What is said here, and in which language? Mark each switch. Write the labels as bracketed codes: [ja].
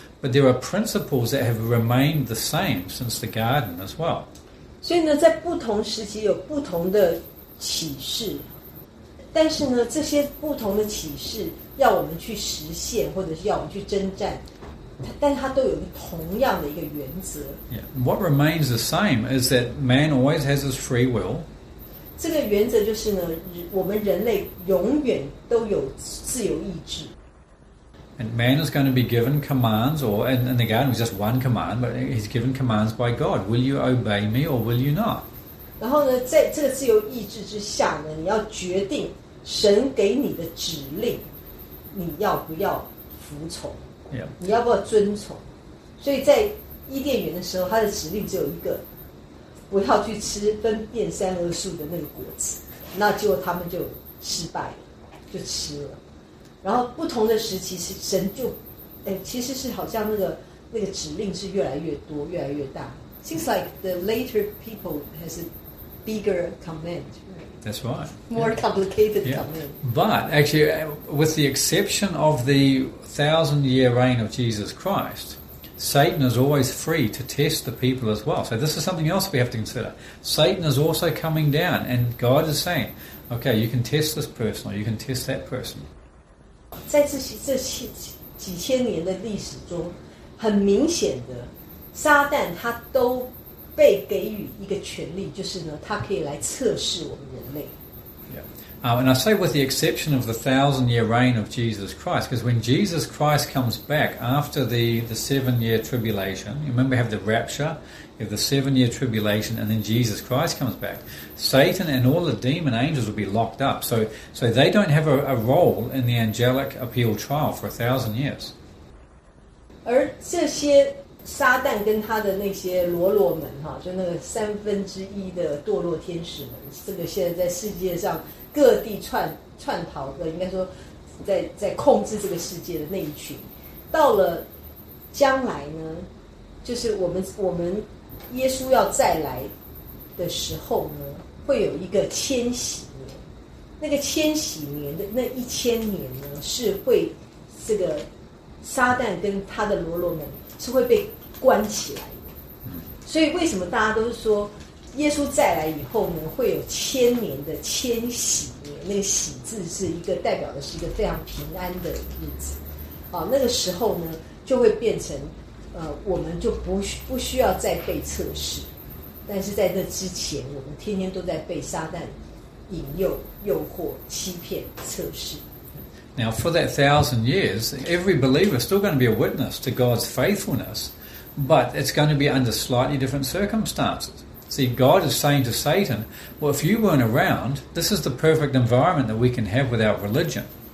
[en] But there are principles that have remained the same since the garden as well. [zh] 所以呢，在不同时期有不同的启示，但是呢，这些不同的启示要我们去实现，或者是要我们去征战，但它都有同样的一个原则。 Yeah. [en] What remains the same is that man always has his free will. [zh] 这个原则就是呢，我们人类永远都有自由意志。 [en] And man is going to be given commands, or in the garden, it was just one command, but he's given commands by God. Will you obey me or will you not? [zh] 然后呢，在这个自由意志之下呢，你要决定神给你的指令，你要不要服从？ Yeah. 你要不要遵从？所以在伊甸园的时候，他的指令只有一个，不要去吃分辨三恶树的那个果子。那结果他们就失败了，就吃了。然后不同的时期，神就，其实是好像那个指令是越来越多，越来越大。 [en] Seems like the later people has a bigger command, right? That's right. More complicated command. But actually, with the exception of the 1,000-year reign of Jesus Christ, Satan is always free to test the people as well. So this is something else we have to consider. Satan is also coming down, and God is saying, okay, you can test this person, or you can test that person. [zh] 在这几千年的历史中，很明显的，撒旦他都被给予一个权利，就是呢，他可以来测试我们人类。 Yeah. [en] And I say with the exception of the 1,000-year reign of Jesus Christ, because when Jesus Christ comes back after the 7-year tribulation, you remember we have the rapture, you have the 7-year tribulation, and then Jesus Christ comes back, Satan and all the demon angels will be locked up. So they don't have a role in the angelic appeal trial for 1,000 years. [zh] 而这些撒旦跟他的那些罗罗门，就那个三分之一的堕落天使们，这个现在在世界上各地串逃的，应该说在控制这个世界的那一群，到了将来呢，就是我们耶稣要再来的时候呢，会有一个千禧年。那个千禧年的那一千年呢，是会这个撒旦跟他的罗罗门是会被关起来的。所以为什么大家都说耶稣再来以后呢，会有千年的千禧年，那个禧字是一个代表的是一个非常平安的日子，那个时候呢，就会变成，我们就不需要再被测试，但是在那之前，我们天天都在被撒旦引诱、诱惑、欺骗、测试。 [en] Now for that 1,000 years, every believer is still going to be a witness to God's faithfulness, but it's going to be under slightly different circumstances. See, God is saying to Satan, well, if you weren't around, this is the perfect environment that we can have without religion.